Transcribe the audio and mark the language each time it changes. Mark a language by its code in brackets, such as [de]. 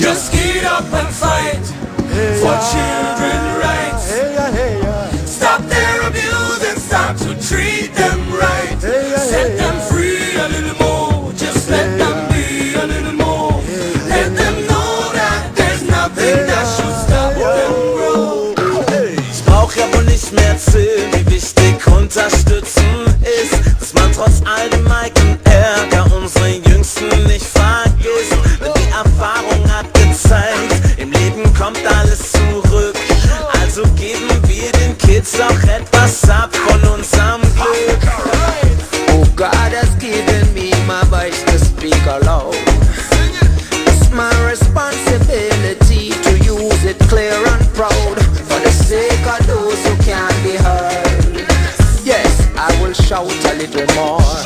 [en] Just get up and fight for children's rights. Hey ya, hey ya. Stop their abuse and start to treat them right. Hey ya, set them free a little more. Just let them be a little more. Let them know that there's nothing that should stop them grow. [de] Ich brauch ja wohl nicht mehr erzählen, wie wichtig unterstützen ist, dass man trotz all dem eigenen Ärger unsere Jüngsten nicht vergisst. Denn die Erfahrung hat gezeigt, im Leben kommt alles zurück. Also geben wir den Kids auch etwas ab von unserem Glück. [en] Oh God has given me my voice to speak aloud. It's my responsibility to use it clear and proud. For the sake of those who can't be heard, I will shout a little more.